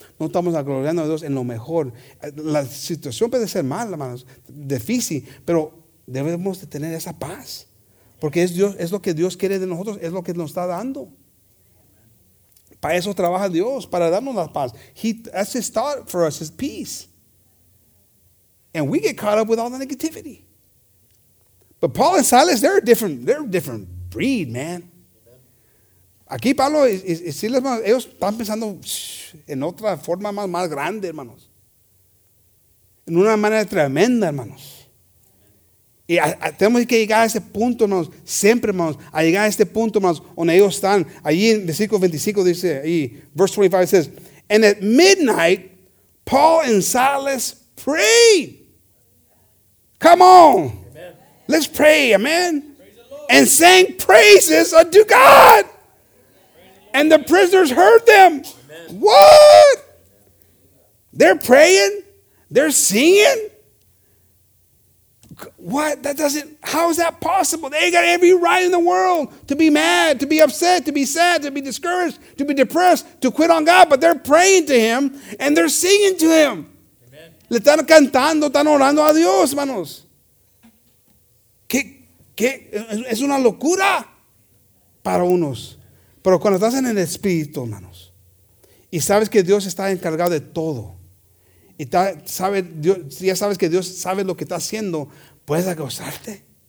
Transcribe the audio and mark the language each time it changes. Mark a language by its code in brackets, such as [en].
[es] No estamos gloriando a Dios en lo mejor. La situación puede ser mala, hermanos, difícil, pero debemos de tener esa paz. Porque es Dios, es lo que Dios quiere de nosotros, es lo que nos está dando. Para eso trabaja Dios, para darnos la paz. [en] That's his thought for us, his peace. And we get caught up with all the negativity. But Paul and Silas, they're a different breed, man. [es] Aquí Pablo y Silas, ellos están pensando en otra forma más grande, hermanos. En una manera tremenda, hermanos. Y tenemos que llegar a ese punto, hermanos, siempre, hermanos, a llegar a este punto, hermanos, donde ellos están. Allí en versículo 25 dice, ahí, [en] verse 25 says, and at midnight, Paul and Silas prayed. Come on. Amen. Let's pray, amen. Praise the Lord. And sang praises unto God. And the prisoners heard them. Amen. What? They're praying? They're singing? What? That doesn't, how is that possible? They got every right in the world to be mad, to be upset, to be sad, to be discouraged, to be depressed, to quit on God. But they're praying to him and they're singing to him. Amen. [es] Le están cantando, están orando a Dios, hermanos. ¿Qué? Es una locura para unos. Pero cuando estás en el Espíritu, hermanos, y sabes que Dios está encargado de todo, y ya sabes que Dios sabe lo que está haciendo, puedes gozarte,